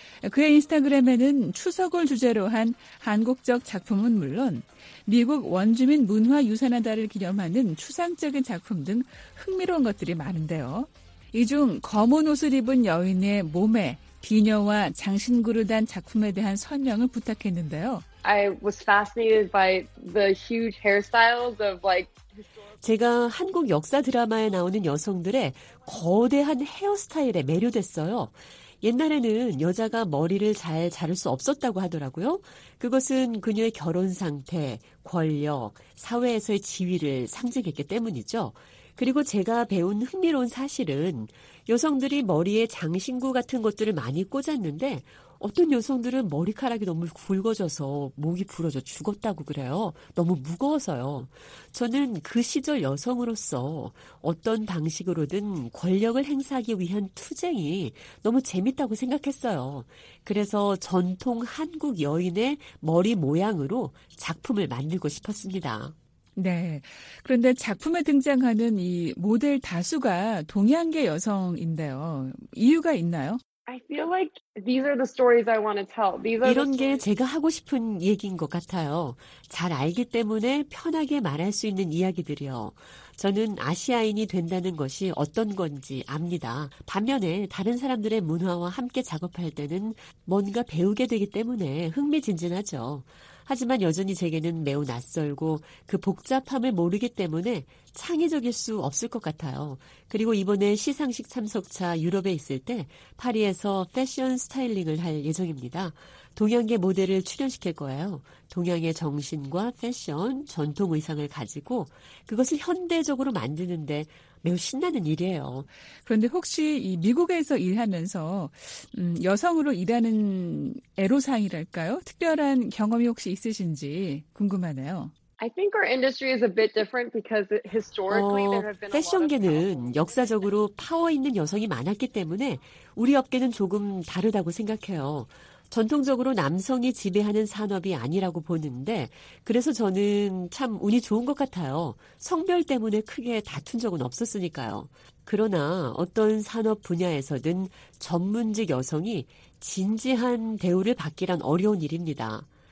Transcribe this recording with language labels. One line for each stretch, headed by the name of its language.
Korean: 그의 인스타그램에는 추석을 주제로 한 한국적 작품은 물론 미국 원주민 문화유산의 달을 기념하는 추상적인 작품 등 흥미로운 것들이 많은데요. 이 중 검은 옷을 입은 여인의 몸에 비녀와 장신구를 단 작품에 대한 설명을 부탁했는데요.
English: I was fascinated by the huge hairstyles of like
Korean: 제가 한국 역사 드라마에 나오는 여성들의 거대한 헤어스타일에 매료됐어요. 옛날에는 여자가 머리를 잘 자를 수 없었다고 하더라고요. 그것은 그녀의 결혼 상태, 권력, 사회에서의 지위를 상징했기 때문이죠. 그리고 제가 배운 흥미로운 사실은 여성들이 머리에 장신구 같은 것들을 많이 꽂았는데 어떤 여성들은 머리카락이 너무 굵어져서 목이 부러져 죽었다고 그래요. 너무 무거워서요. 저는 그 시절 여성으로서 어떤 방식으로든 권력을 행사하기 위한 투쟁이 너무 재밌다고 생각했어요. 그래서 전통 한국 여인의 머리 모양으로 작품을 만들고 싶었습니다. 네. 그런데 작품에 등장하는 이 모델 다수가 동양계 여성인데요. 이유가 있나요?
English: I feel like these are the stories I want to tell. These are
Korean: 이런 게 제가 하고 싶은 얘기인 것 같아요. 잘 알기 때문에 편하게 말할 수 있는 이야기들이요. 저는 아시아인이 된다는 것이 어떤 건지 압니다. 반면에 다른 사람들의 문화와 함께 작업할 때는 뭔가 배우게 되기 때문에 흥미진진하죠. 하지만 여전히 제게는 매우 낯설고 그 복잡함을 모르기 때문에 창의적일 수 없을 것 같아요. 그리고 이번에 시상식 참석차 유럽에 있을 때 파리에서 패션 스타일링을 할 예정입니다. 동양계 모델을 출연시킬 거예요. 동양의 정신과 패션, 전통 의상을 가지고 그것을 현대적으로 만드는데 매우 신나는 일이에요. 그런데 혹시 이 미국에서 일하면서 여성으로 일하는 애로사항이랄까요? 특별한 경험이 혹시 있으신지 궁금하네요.
English: I think our industry is a bit different because historically there have been
Korean: 패션계는 역사적으로 파워 있는 여성이 많았기 때문에 우리 업계는 조금 다르다고 생각해요. 전통적으로 남성이 지배하는 산업이 아니라고 보는데 그래서 저는 참 운이 좋은 것 같아요. 성별 때문에 크게 다툰 적은 없었으니까요. 그러나 어떤 산업 분야에서든 전문직 여성이 진지한 대우를 받기란 어려운 일입니다.